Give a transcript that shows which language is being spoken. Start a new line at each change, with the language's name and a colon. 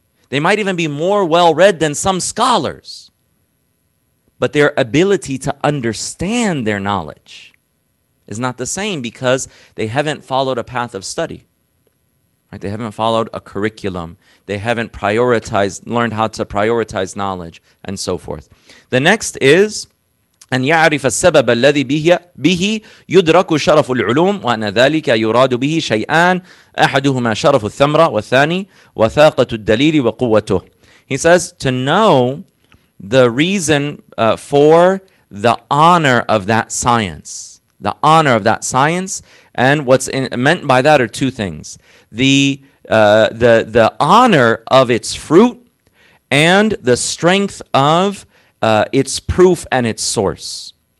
English: They might even be more well-read than some scholars. But their ability to understand their knowledge is not the same because they haven't followed a path of study. Right? They haven't followed a curriculum. They haven't learned how to prioritize knowledge and so forth. The next is,
Arabic: أن يعرف السبب الذي به يدرك شرف العلوم وأن ذلك يراد به شيئان أحدهما شرف الثمرة والثاني وثاقة الدليل وقوته.
English: He says, to know the reason for the honor of that science. The honor of that science. And what's meant by that are two things. The honor of its fruit and the strength of its proof and its source.